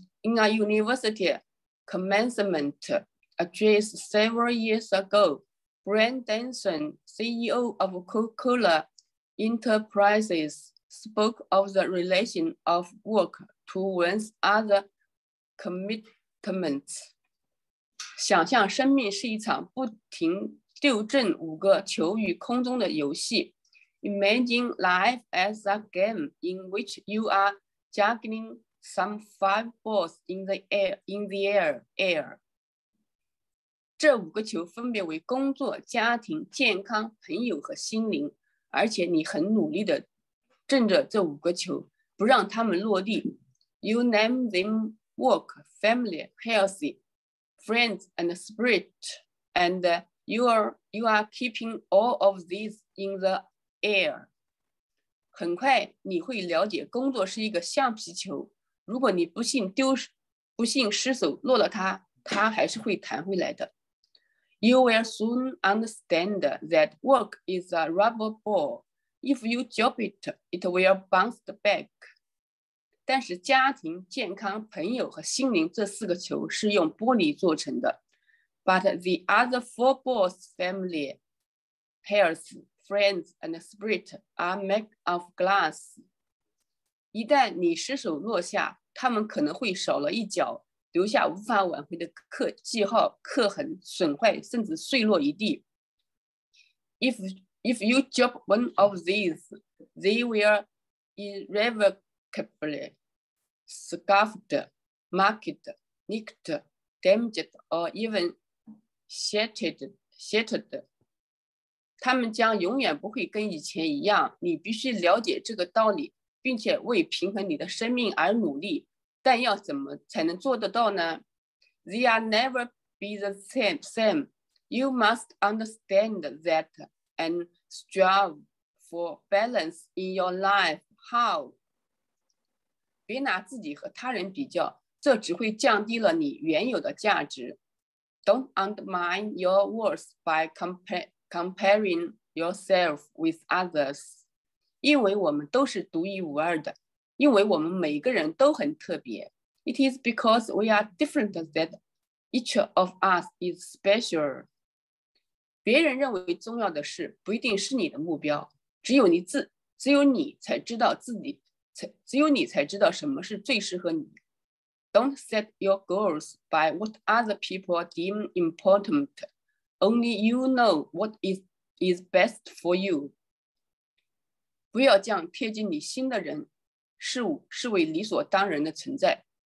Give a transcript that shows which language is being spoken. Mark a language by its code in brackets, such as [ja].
[en] In a university commencement address several years ago, Brian Denson, CEO of Coca-Cola Enterprises, spoke of the relation of work to one's other commitments. [zh] 想象生命是一场不停丢正五个球于空中的游戏。 [en] Imagine life as a game in which you are juggling some five balls in the air. [zh] 这五个球分别为工作、家庭、健康、朋友和心灵，而且你很努力地挣着这五个球，不让他们落地。 [en] You name them work, family, healthy, friends, and spirit, and you are keeping all of these in the air. [zh] 很快你会了解，工作是一个橡皮球，如果你不幸失手落了它，它还是会弹回来的。 [en] You will soon understand that work is a rubber ball. If you drop it, it will bounce back. [zh] 但是家庭、健康、朋友和心灵这四个球是用玻璃做成的。 [en] But the other four balls, family, health, friends, and spirit are made of glass. [zh] 一旦你失手落下，他们可能会少了一角，留下无法挽回的记号、刻痕、损坏，甚至碎落一地。 [en] If you drop one of these, they will irrevocably scuffed, marked, nicked, damaged, or even shattered. [zh] 他们将永远不会跟以前一样。你必须了解这个道理，并且为平衡你的生命而努力。但要怎么才能做得到呢？ [en] They are never be the same. You must understand that and strive for balance in your life. How? [zh] 别拿自己和他人比较，这只会降低了你原有的价值。 [en] Don't undermine your worth by comparing yourself with others. [zh] 因为我们都是独一无二的。因为我们每个人都很特别。 [en] It is because we are different that each of us is special. [zh] 别人认为重要的事不一定是你的目标，只有你才知道什么是最适合你。 [en] Don't set your goals by what other people deem important. Only you know what is best for you. [zh] 不要将贴近你心的人事物视为理所当然的存在。